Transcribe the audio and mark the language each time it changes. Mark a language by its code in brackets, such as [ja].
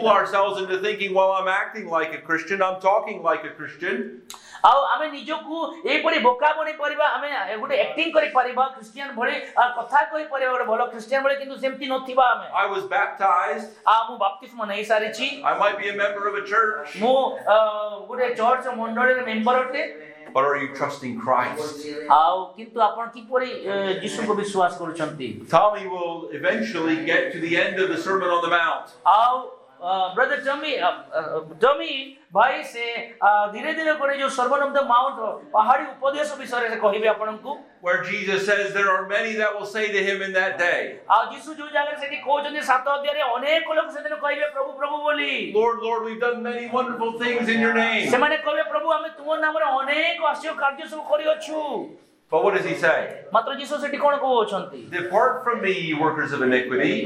[en] Christian, I'm talking like a Christian. [or] ଆଉ ଆମେ ନିଜକୁ ଏହିପରି ବୋକା ବନେଇ ପାରିବା, ଆମେ ଗୋଟେ ଆକ୍ଟିଂ କରିପାରିବା ଖ୍ରୀଷ୍ଟିଆନ ଭଳି, କଥା କହିପାରିବା ଗୋଟେ ଭଲ ଖ୍ରୀଷ୍ଟିଆନ ଭଳି, କିନ୍ତୁ ସେମିତି ନଥିବା ଆମେ। [en] I was baptized। [or] ମୁଁ ବାପ୍ତିସ୍ମ ନେଇ ସାରିଛି। [en] I might be a member of a church। [or] ମୁଁ ଗୋଟେ ଚର୍ଚ୍ଚ ମଣ୍ଡଳୀର ମେମ୍ବର ଅଟେ। [en] But are you trusting Christ? [or] ଆଉ କିନ୍ତୁ ଆପଣ କିପରି ଯୀଶୁଙ୍କୁ ବିଶ୍ୱାସ କରୁଛନ୍ତି? [en] Tommy will eventually get to the end of the Sermon on the Mount। [or] ଆଉ brother Tommy ଭାଇ ସେ ଧୀରେ ଧୀରେ କରି ଯୋଉ ସର୍ବନାମ ମାଉଣ୍ଟ ପାହାଡି ଉପଦେଶ ବିଷୟରେ କହିବେ ଆପଣଙ୍କୁ। [en] Where Jesus says there are many that will say to him in that day. [or] ଆଉ ଯୀଶୁ ଯୋଉ ଜାଗାରେ ସେଠି କହୁଛନ୍ତି ସାତ ଅଧ୍ୟାୟରେ ଅନେକ ଲୋକ ସେଦିନ କହିବେ ପ୍ରଭୁ ପ୍ରଭୁ ବୋଲି। [en] Lord, Lord, we've done many wonderful things in your name. [or] ସେମାନେ କହିବେ ପ୍ରଭୁ ଆମେ ତୁମ ନାମରେ ଅନେକ ଆଶ୍ଚର୍ଯ୍ୟ କାର୍ଯ୍ୟ ସବୁ କରିଅଛୁ। [en] But what does he say? [or] ମାତ୍ର ଯୀଶୁ ସେଠି କଣ କହୁଛନ୍ତି? [en] Depart from me, ye workers of iniquity.